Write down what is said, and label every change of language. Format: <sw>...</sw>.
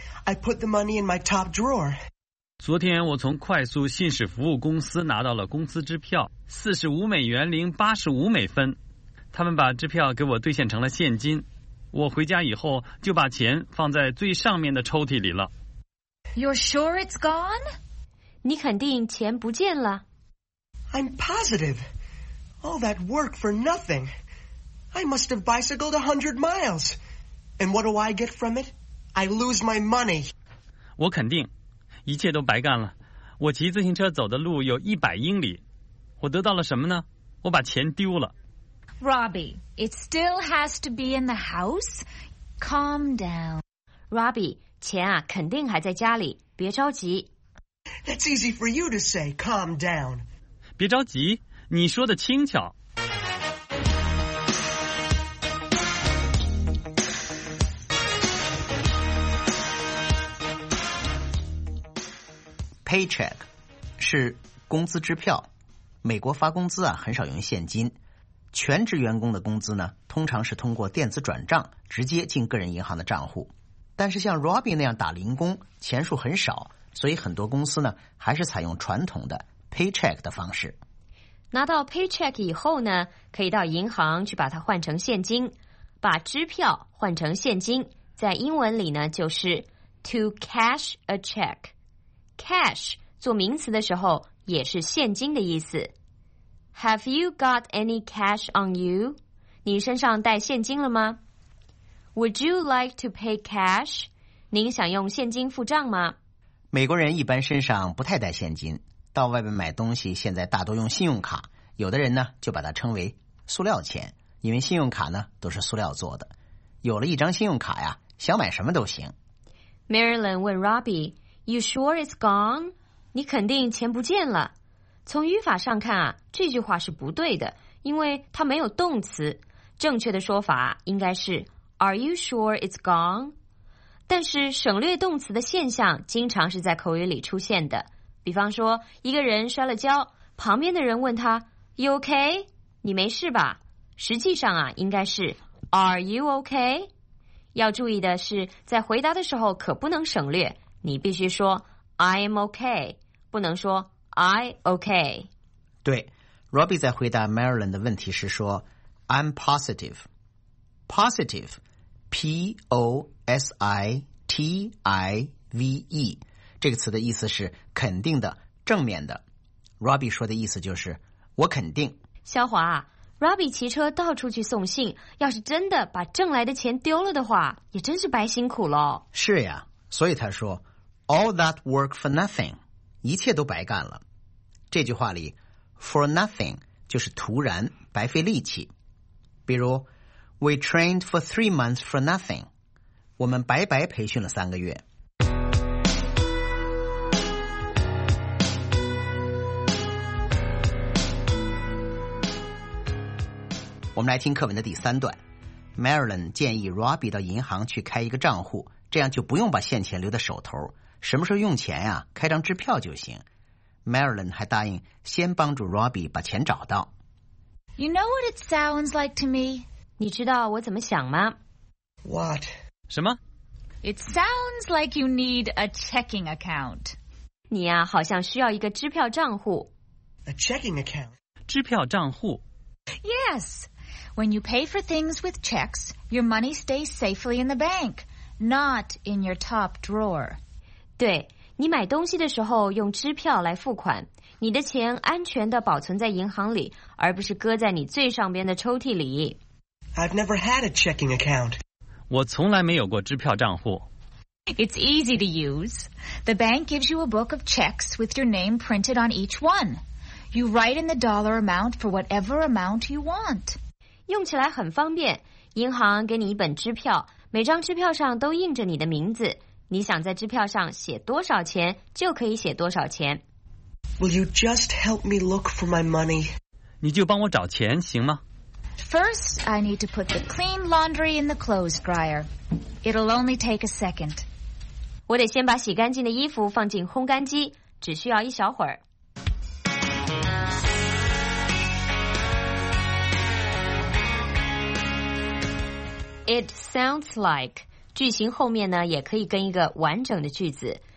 <en>I put the money in my top drawer.</en> <zh>昨天我从快速信使服务公司拿到了工资支票，$45.85。他们把支票给我兑现成了现金。我回家以后就把钱放在最上面的抽屉里了。</zh> <en>You're sure it's gone?</en> <zh>你肯定钱不见了。</zh> <en>I'm positive. All that work for nothing. I must have bicycled 100 miles. And what do I get from it? I lose my money.</en> <zh>我肯定，一切都白干了。我骑自行车走的路有100英里，我得到了什么呢？我把钱丢了。</zh> <en>Robbie, it still has to be in the house. Calm down.</en> <zh>Robbie, 钱啊，肯定还在家里，别着急。</zh> <en>That's easy for you to say, calm down.</en> <zh>别着急，你说的轻巧。 Paycheck 是工资支票，美国发工资啊，很少用现金。全职员工的工资呢，通常是通过电子转账直接进个人银行的账户。但是像 Robbie 那样打零工，钱数很少，所以很多公司呢还是采用传统的 paycheck 的方式。拿到 paycheck 以后呢，可以到银行去把它换成现金，把支票换成现金，在英文里呢就是</zh> <en>to cash a check。</en> <zh>Cash 做名词的时候也是现金的意思。</zh> <en>Have you got any cash on you?</en> <zh>你身上带现金了吗？</zh> <en>Would you like to pay cash?</en> <zh>您想用现金付账吗？美国人一般身上不太带现金，到外面买东西现在大多用信用卡，有的人呢就把它称为塑料钱，因为信用卡呢都是塑料做的。有了一张信用卡呀，想买什么都行。</zh> <en>Marilyn</en> <zh>问</zh> <en>Robbie, You sure it's gone?</en> <zh>你肯定钱不见了。从语法上看啊，这句话是不对的，因为它没有动词。正确的说法应该是</zh> <en>Are you sure it's gone?</en> <zh>但是省略动词的现象经常是在口语里出现的。比方说，一个人摔了跤，旁边的人问他</zh> <en>You OK?</en> <zh>你没事吧？实际上啊，应该是</zh> <en>Are you OK?</en> <zh>要注意的是，在回答的时候可不能省略，你必须说</zh> <en>I am OK,</en> <zh>不能说</zh> <en>I OK.</en> <zh>对， Robbie 在回答 Marilyn 的问题时说 I'm positive.</zh> <en>Positive, P-O-S-I-T-I-V-E.</en> <zh>这个词的意思是肯定的，正面的。Robbie 说的意思就是我肯定。肖华， Robbie 骑车到处去送信，要是真的把挣来的钱丢了的话，也真是白辛苦了。是呀，所以他说</zh> <en>All that work for nothing.</en> <zh>一切都白干了。这句话里</zh> <en>for nothing</en> <zh>就是徒然，白费力气。比如</zh> <en>We trained for 3 months for nothing，</en> <zh>我们白白培训了3个月。我们来听课文的第三段。Marilyn 建议 Robbie 到银行去开一个账户，这样就不用把现钱留在手头，什么时候用钱呀、啊？开张支票就行。 Marilyn 还答应先帮助 Robbie 把钱找到。</zh> <en>You know what it sounds like to me?</en> <zh>你知道我怎么想吗</zh> <en>？What?</en> <zh>什么</zh> <en>？It sounds like you need a checking account.</en> <zh>你呀、啊，好像需要一个支票账户。</zh> <en>A checking account.</en> <zh>支票账户。</zh> <en>Yes. When you pay for things with checks, your money stays safely in the bank, not in your top drawer.</en> <zh>对，你买东西的时候用支票来付款，你的钱安全地保存在银行里，而不是搁在你最上边的抽屉里。</zh> <en>I've never had a checking account.</en> <zh>我从来没有过支票账户。</zh> <en>It's easy to use. The bank gives you a book of checks with your name printed on each one. You write in the dollar amount for whatever amount you want.</en> <zh>用起来很方便，银行给你一本支票，每张支票上都印着你的名字。你想在支票上写多少钱就可以写多少钱。</zh> <en>Will you just help me look for my money?</en> <zh>你就帮我找钱行吗？</zh> <en>First, I need to put the clean laundry in the clothes dryer. It'll only take a second.</en> <zh>我得先把洗干净的衣服放进烘干机，只需要一小会儿。</zh> <en>It sounds like...</en> <zh>句型后面呢也可以跟一个完整的句子。</zh>